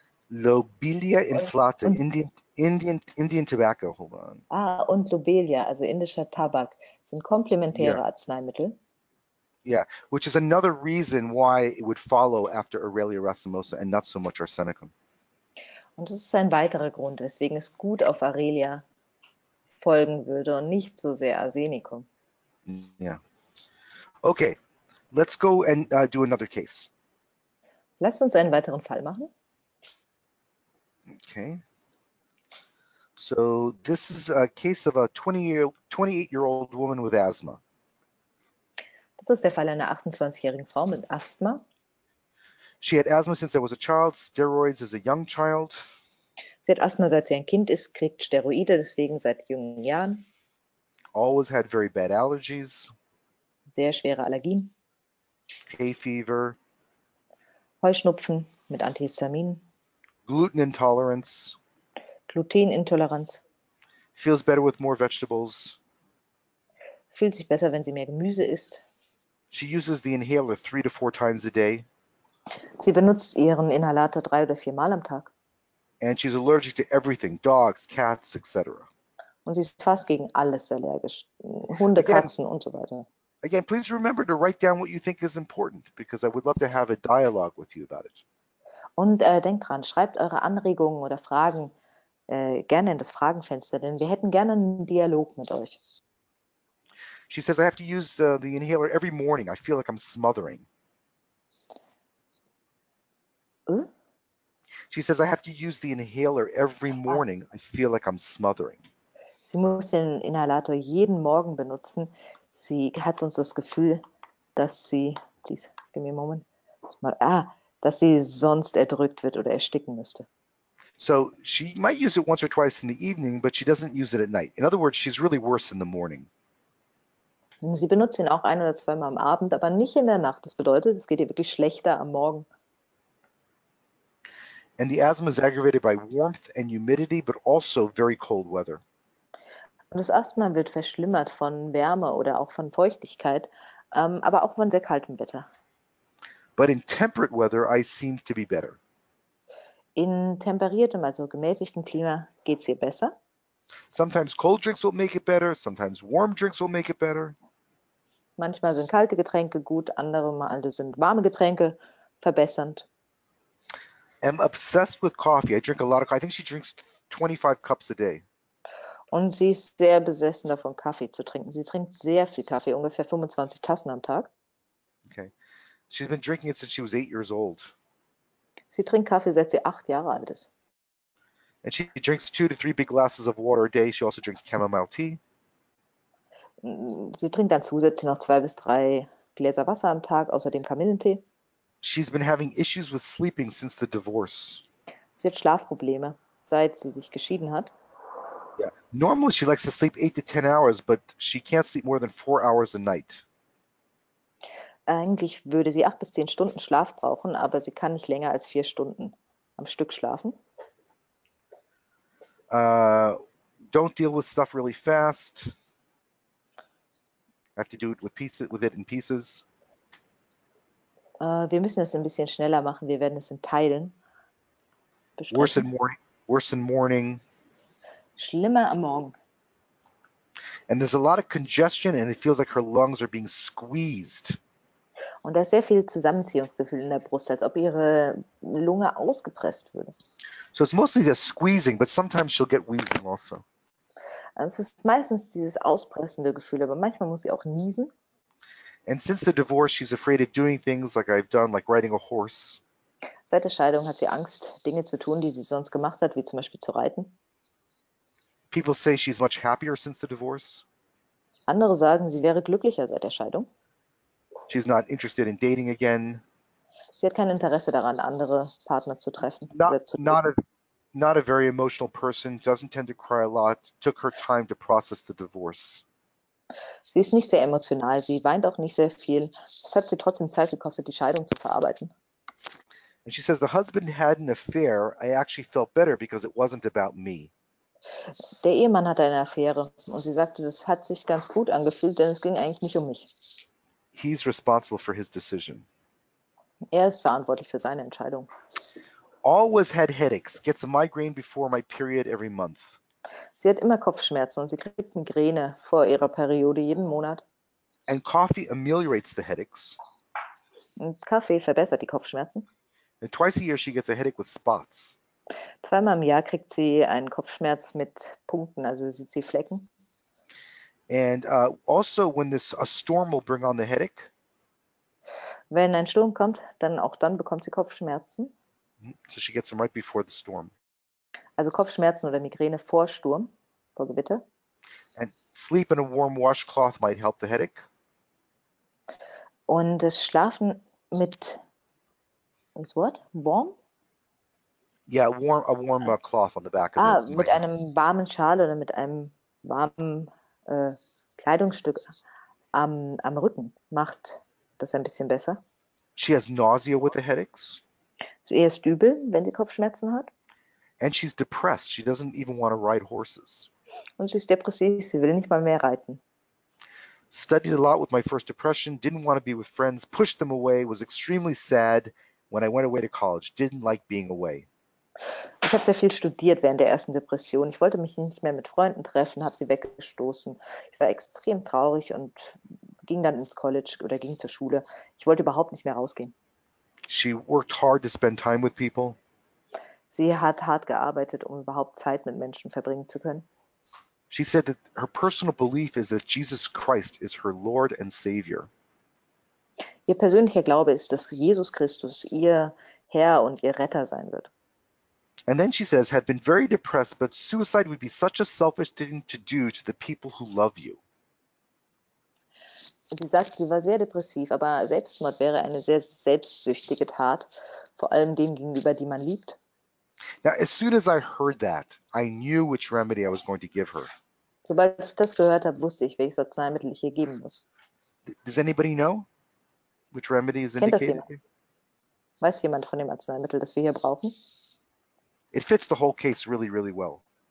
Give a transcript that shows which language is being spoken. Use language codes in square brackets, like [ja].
[en] Lobelia inflata, [de] Und [en] Indian tobacco. Hold on. [de] Lobelia, also indischer Tabak, sind [en] Yeah. [de] komplementäre Arzneimittel. [en] Yeah, which is another reason why it would follow after Aurelia racemosa and not so much arsenicum. [de] Und das ist ein weiterer Grund, weswegen es gut auf Aurelia folgen würde und nicht so sehr Arsenicum. [en] Yeah. Okay, let's go and do another case. [de] Lasst uns einen weiteren Fall machen. [en] Okay. So this is a case of a 28-year-old woman with asthma. [de] Das ist der Fall einer 28-jährigen Frau mit Asthma. [en] She had asthma since I was a child, steroids as a young child. [de] Sie hat Asthma, seit sie ein Kind ist, kriegt Steroide, deswegen seit jungen Jahren. [en] Always had very bad allergies. [de] Sehr schwere Allergien. [en] Hay fever. [de] Heuschnupfen mit Antihistamin. [en] Gluten intolerance. [de] Glutenintoleranz. [en] Feels better with more vegetables. [de] Fühlt sich besser, wenn sie mehr Gemüse isst. [en] She uses the inhaler 3 to 4 times a day. [de] Sie benutzt ihren Inhalator 3 oder 4 Mal am Tag. [en] And she's allergic to everything, dogs, cats, etc. [de] Und sie ist fast gegen alles allergisch. Hunde, [en] Again, [de] Katzen und so weiter. [en] please remember to write down what you think is important, because I would love to have a dialogue with you about it. [de] Und denkt dran, schreibt eure Anregungen oder Fragen gerne in das Fragenfenster, denn wir hätten gerne einen Dialog mit euch. [en] She says, I have to use the inhaler every morning. I feel like I'm smothering. She says, I have to use the inhaler every morning. I feel like I'm smothering. [de] Sie muss den Inhalator jeden Morgen benutzen. Sie hat sonst das Gefühl, dass sie, [en] please, give me a moment, [de] dass sie sonst erdrückt wird oder ersticken müsste. [en] So she might use it once or twice in the evening, but she doesn't use it at night. In other words, she's really worse in the morning. [de] Und sie benutzt ihn auch ein oder zweimal am Abend, aber nicht in der Nacht. Das bedeutet, es geht ihr wirklich schlechter am Morgen. [en] And the asthma is aggravated by warmth and humidity, but also very cold weather. [de] Das Asthma wird verschlimmert von Wärme oder auch von Feuchtigkeit, aber auch von sehr kaltem Wetter. [en] But in temperate weather, I seem to be better. [de] In temperiertem, also gemäßigtem Klima geht es ihr besser. [en] Sometimes cold drinks will make it better, sometimes warm drinks will make it better. [de] Manchmal sind kalte Getränke gut, andere Male sind warme Getränke verbessernd. [en] I'm obsessed with coffee. I drink a lot of coffee. I think she drinks 25 cups a day. [de] Und sie ist sehr besessen davon, Kaffee zu trinken. Sie trinkt sehr viel Kaffee, ungefähr 25 Tassen am Tag. [en] Okay. She's been drinking it since she was 8 years old. [de] Sie trinkt Kaffee, seit sie 8 Jahre alt ist. [en] And she drinks 2 to 3 big glasses of water a day. She also drinks chamomile tea. [de] Sie trinkt dann zusätzlich noch 2 bis 3 Gläser Wasser am Tag, außerdem Kamillentee. [en] She's been having issues with sleeping since the divorce. [de] Sie hat Schlafprobleme, seit sie sich geschieden hat. [en] Yeah. Normally she likes to sleep 8 to 10 hours, but she can't sleep more than 4 hours a night. [de] Eigentlich würde sie 8 bis 10 Stunden Schlaf brauchen, aber sie kann nicht länger als 4 Stunden am Stück schlafen. [en] Don't deal with stuff really fast. I have to do it with pieces, with it in pieces. [de] Wir müssen das ein bisschen schneller machen. Wir werden es in Teilen [en] Worse in morning. Worse in morning. [de] Schlimmer am Morgen. [en] And there's a lot of congestion, and it feels like her lungs are being squeezed. [de] Und da ist sehr viel Zusammenziehungsgefühl in der Brust, als ob ihre Lunge ausgepresst würde. [en] So it's mostly the squeezing, but sometimes she'll get wheezing also. [de] Es ist meistens dieses auspressende Gefühl, aber manchmal muss sie auch niesen. [en] And since the divorce, she's afraid of doing things like I've done, like riding a horse. [de] Seit der Scheidung hat sie Angst, Dinge zu tun, die sie sonst gemacht hat, wie zum Beispiel zu reiten. [en] People say she's much happier since the divorce. [de] Andere sagen, sie wäre glücklicher seit der Scheidung. [en] She's not interested in dating again. [de] Sie hat kein Interesse daran, andere Partner zu treffen [en] Not [de] oder zu daten. [en] a very emotional person, doesn't tend to cry a lot, took her time to process the divorce. [de] Sie ist nicht sehr emotional, sie weint auch nicht sehr viel. Es hat sie trotzdem Zeit gekostet, die Scheidung zu verarbeiten. [en] She says the husband had an affair. I actually felt better because it wasn't about me. [de] Der Ehemann hatte eine Affäre und sie sagte, das hat sich ganz gut angefühlt, denn es ging eigentlich nicht um mich. [en] He's responsible for his decision. [de] Er ist verantwortlich für seine Entscheidung. [en] Always had headaches, gets a migraine before my period every month. [de] Sie hat immer Kopfschmerzen und sie kriegt Migräne vor ihrer Periode jeden Monat. [en] And coffee ameliorates the headaches. [de] Und Kaffee verbessert die Kopfschmerzen. [en] And twice a year she gets a headache with spots. [de] Zweimal im Jahr kriegt sie einen Kopfschmerz mit Punkten, also sieht sie Flecken. [en] And also when this a storm will bring on the headache. [de] Wenn ein Sturm kommt, dann auch dann bekommt sie Kopfschmerzen. [en] So she gets them right before the storm. [de] Also Kopfschmerzen oder Migräne vor Sturm, vor Gewitter. [en] And sleep in a warm washcloth might help the headache. [de] Und das Schlafen mit, was Wort? Warm? [en] Yeah, a warm cloth on the back of the [de] Ah, mit [en] might help. [de] einem warmen Schal oder mit einem warmen Kleidungsstück am Rücken macht das ein bisschen besser. [en] She has nausea with the headaches. [de] Sie ist übel, wenn sie Kopfschmerzen hat. [en] And she's depressed. She doesn't even want to ride horses. [de] Und sie ist depressiv, sie will nicht mal mehr reiten. [en] Studied a lot with my first depression. Didn't want to be with friends. Pushed them away. Was extremely sad when I went away to college. Didn't like being away. [de] Ich habe sehr viel studiert während der ersten Depression. Ich wollte mich nicht mehr mit Freunden treffen, habe sie weggestoßen. Ich war extrem traurig und ging dann ins College oder ging zur Schule. Ich wollte überhaupt nicht mehr rausgehen. [en] She worked hard to spend time with people. [de] Sie hat hart gearbeitet, um überhaupt Zeit mit Menschen verbringen zu können. [en] She said that her personal belief is that Jesus Christ is her Lord and Savior. [de] Ihr persönlicher Glaube ist, dass Jesus Christus ihr Herr und ihr Retter sein wird. [en] And then she says, had been very depressed, but suicide would be such a selfish thing to do to the people who love you. [de] Sie sagt, sie war sehr depressiv, aber Selbstmord wäre eine sehr selbstsüchtige Tat, vor allem denen gegenüber, die man liebt. [en] Now, as soon as I heard that, I knew which remedy I was going to give her. [de] Sobald ich das gehört habe, wusste ich, welches Arzneimittel ich ihr geben muss. [en] Does anybody know which remedy is [de] Kennt das [en] indicated [de] jemand? [en] here? [de] Weiß jemand von dem Arzneimittel, das wir hier brauchen? [en] It fits the whole case really, really well.